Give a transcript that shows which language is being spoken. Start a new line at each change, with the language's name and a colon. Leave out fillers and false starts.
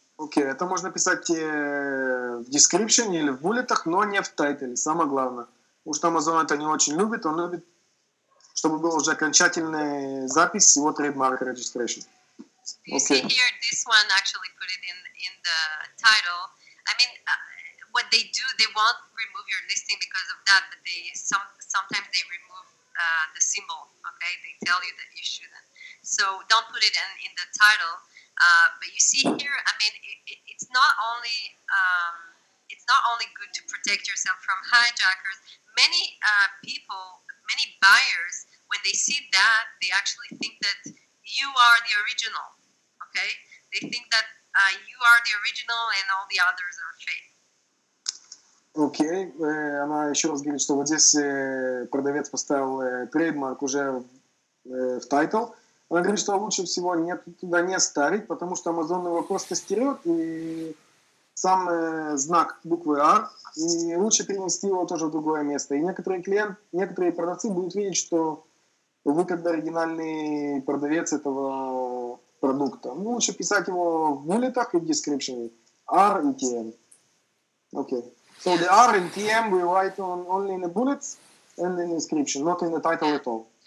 Russian: Окей, это можно писать в description или в буллетах, но не в тайтле, самое главное. Потому что Amazon это не очень любит, он любит, чтобы была уже окончательная запись его трейдмарка registration.
English: Okay. You see here, this one actually put it in the title. I mean, what they do, they won't remove your listing because of that, but they sometimes they remove the symbol, okay? They tell you that you shouldn't. So don't put it in the title. But you see here, I mean, it's not only good to protect yourself from hijackers. Many people, many buyers, when they see that, they actually think that you are the original, okay? They think that you are the original and all the others are fake. Okay.
Russian: Она еще раз говорит, что вот здесь продавец поставил трейдмарк уже в title. Она говорит, что лучше всего туда не ставить, потому что Amazon его просто стерет, и сам знак буквы R, и лучше перенести его тоже в другое место. И некоторые продавцы будут видеть, что вы как бы оригинальный продавец этого продукта. Ну, лучше писать его в буллетах и в description. R и TM. Okay.
English: So the R and TM we write on only in the bullets and in the description, not in the title at all.